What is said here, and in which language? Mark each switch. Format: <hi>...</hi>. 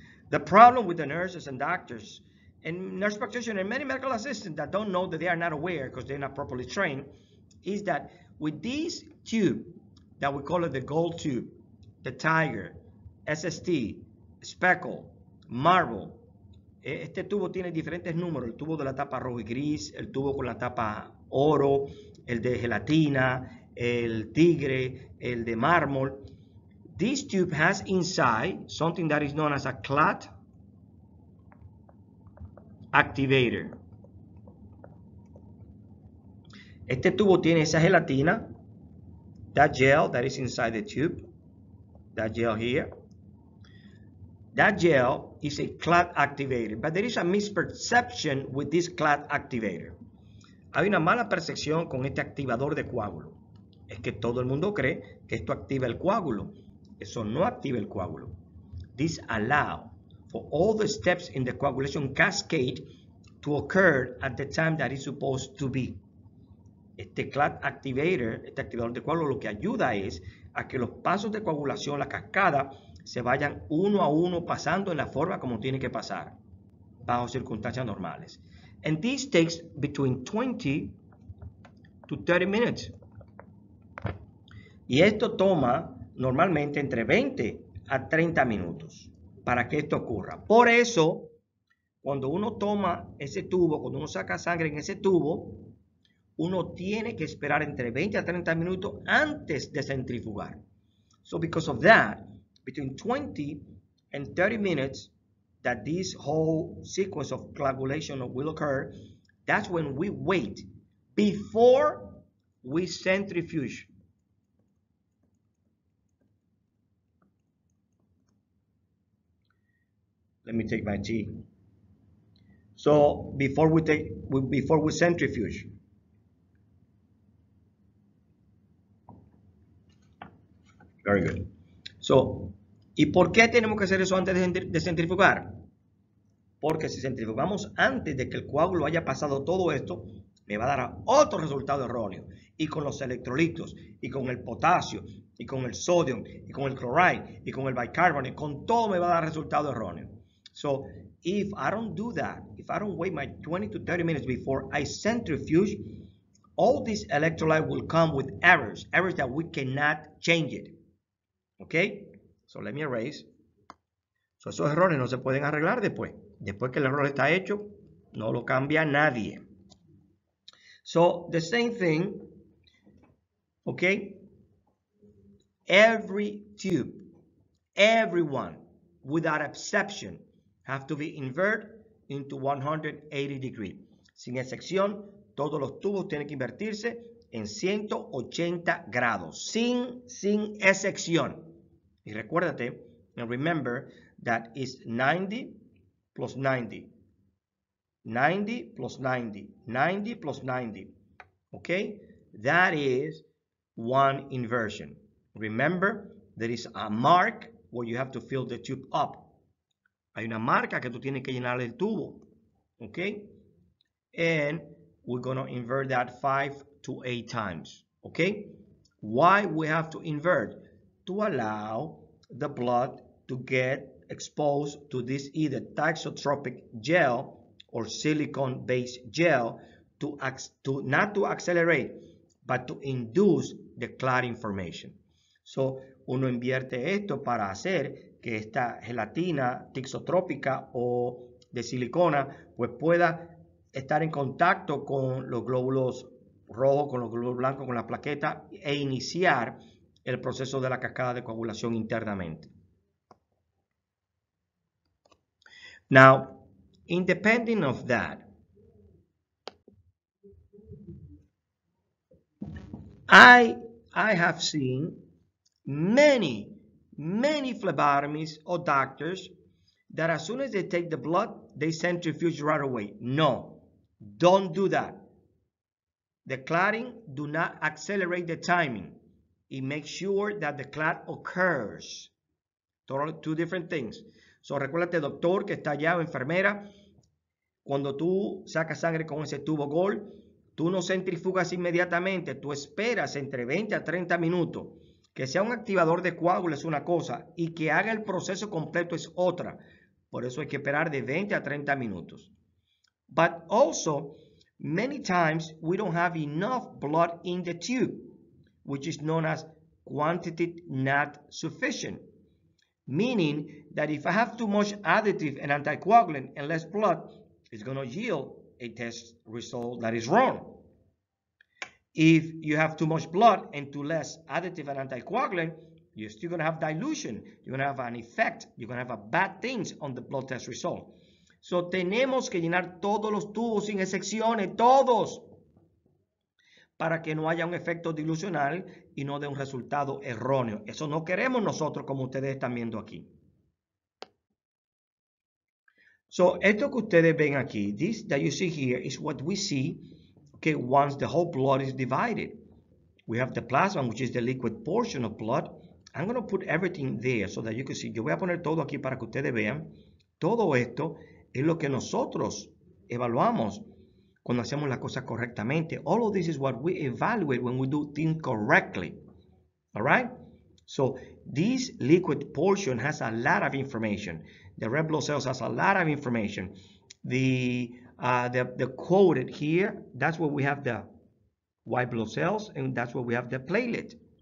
<en>The problem with the nurses and doctors and nurse practitioners and many medical assistants that don't know, that they are not aware because they're not properly trained, is that with this tube that we call it the gold tube, the tiger, SST, speckle, marble.</en> <es>Este tubo tiene diferentes números, el tubo de la tapa rojo y gris, el tubo con la tapa oro, el de gelatina, el tigre, el de mármol.</es> <en>This tube has inside something that is known as a clot activator.</en> <es>Este tubo tiene esa gelatina,</es> <en>that gel that is inside the tube, that gel here. That gel is a clot activator, but there is a misperception with this clot activator.</en> <es>Hay una mala percepción con este activador de coágulo. Es que todo el mundo cree que esto activa el coágulo. Eso no activa el coágulo.</es> <en>This allows for all the steps in the coagulation cascade to occur at the time that it's supposed to be.</en> <es>Este clot activator, este activador de coágulo, lo que ayuda es a que los pasos de coagulación, la cascada, se vayan uno a uno pasando en la forma como tiene que pasar bajo circunstancias normales.</es> <en>And this takes between 20 to 30 minutes.</en> <es>Y esto toma normalmente entre 20 a 30 minutos para que esto ocurra. Por eso, cuando uno toma ese tubo, cuando uno saca sangre en ese tubo, uno tiene que esperar entre 20 a 30 minutos antes de centrifugar.</es> <en>So because of that, between 20 and 30 minutes that this whole sequence of coagulation will occur, that's when we wait before we centrifuge. Let me take my tea. So before we centrifuge. Very good.</en> <es>So, ¿y por qué tenemos que hacer eso antes de centrifugar? Porque si centrifugamos antes de que el coágulo haya pasado todo esto, me va a dar otro resultado erróneo. Y con los electrolitos, y con el potasio, y con el sodio, y con el cloride, y con el bicarbonate, con todo me va a dar resultado erróneo.</es> <en>So, if I don't do that, if I don't wait my 20 to 30 minutes before I centrifuge, all this electrolyte will come with errors, errors that we cannot change it. Okay, so let me erase.</en> <es>So esos errores no se pueden arreglar después. Después que el error está hecho, no lo cambia nadie.</es> <en>So the same thing, okay? Every tube, everyone, without exception, have to be inverted into 180 degrees.</en> <es>Sin excepción, todos los tubos tienen que invertirse en 180 grados. Sin excepción. Y recuérdate,</es> <en>and remember, that is 90 plus 90. 90 plus 90. 90 plus 90. Okay? That is one inversion. Remember, there is a mark where you have to fill the tube up.</en> <es>Hay una marca que tú tienes que llenar el tubo.</es> <en>Okay? And we're going to invert that 5 to 8 times. Okay? Why we have to invert? To allow the blood to get exposed to this either thixotropic gel or silicone-based gel to accelerate, but to induce the clotting formation.</en> <es>So, uno invierte esto para hacer que esta gelatina tixotrópica o de silicona pues pueda estar en contacto con los glóbulos rojos, con los glóbulos blancos, con la plaqueta e iniciar el proceso de la cascada de coagulación internamente.</es> <en>Now, independent of that, I have seen many, many phlebotomists or doctors that as soon as they take the blood, they centrifuge right away. No, don't do that. The clotting do not accelerate the timing. It makes sure that the clot occurs. Totally two different things.</en> <es>So, recuérdate, doctor, que está allá, o enfermera, cuando tú sacas sangre con ese tubo Gold, tú no centrifugas inmediatamente, tú esperas entre 20 a 30 minutos. Que sea un activador de coágulo es una cosa y que haga el proceso completo es otra. Por eso hay que esperar de 20 a 30 minutos.</es> <en>But also, many times we don't have enough blood in the tube, which is known as quantity not sufficient. Meaning that if I have too much additive and anticoagulant and less blood, it's going to yield a test result that is wrong. If you have too much blood and too less additive and anticoagulant, you're still going to have dilution. You're going to have an effect. You're going to have a bad things on the blood test result.</en> <es>So, tenemos que llenar todos los tubos sin excepciones, todos, para que no haya un efecto dilucional y no de un resultado erróneo. Eso no queremos nosotros, como ustedes están viendo aquí.</es> <en>So,</en> <es>esto que ustedes ven aquí,</es> <en>this that you see here, is what we see, okay, once the whole blood is divided. We have the plasma, which is the liquid portion of blood. I'm going to put everything there so that you can see.</en> <es>Yo voy a poner todo aquí para que ustedes vean. Todo esto es lo que nosotros evaluamos cuando hacemos las cosas correctamente.</es> <en>All of this is what we evaluate when we do things correctly. All right? So, this liquid portion has a lot of information. The red blood cells has a lot of information. The quoted here, that's where we have the white blood cells, and that's where we have the platelet.</en>